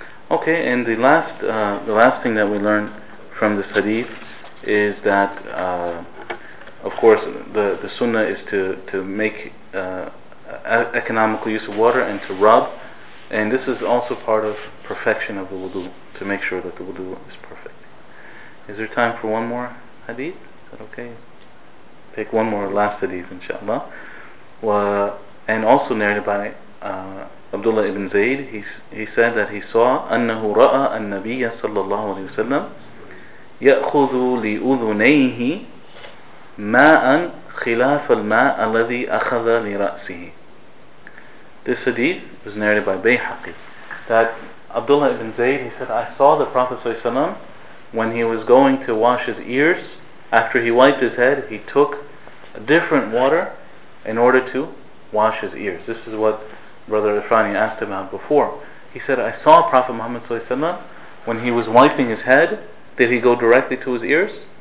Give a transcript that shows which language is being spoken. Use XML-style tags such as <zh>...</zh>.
<en>Okay, and the last thing that we learned from this hadith is that, of course, the sunnah is to make economical use of water and to rub. And this is also part of perfection of the wudu, to make sure that the wudu is perfect. Is there time for one more hadith? Is that okay? Take one more last hadith, inshallah. And also narrated by Abdullah ibn Zayd, he said that he saw</en> <ar>أَنَّهُ رَأَى النَّبِيَّ صَلَّى اللَّهُ عَلَيْهِ وَسَلَّمْ يَأْخُذُ لِأُذُنَيْهِ مَاءً خِلَافَ الْمَاءَ الَّذِي أَخَذَ لِرَأْسِهِ.</ar> <en>This hadith was narrated by Bayhaqi, that Abdullah ibn Zayd, he said, I saw the Prophet ﷺ when he was going to wash his ears, after he wiped his head, he took a different water in order to wash his ears. This is what Brother Ifrani asked about before. He said, I saw Prophet Muhammad ﷺ when he was wiping his head, did he go directly to his ears?</en>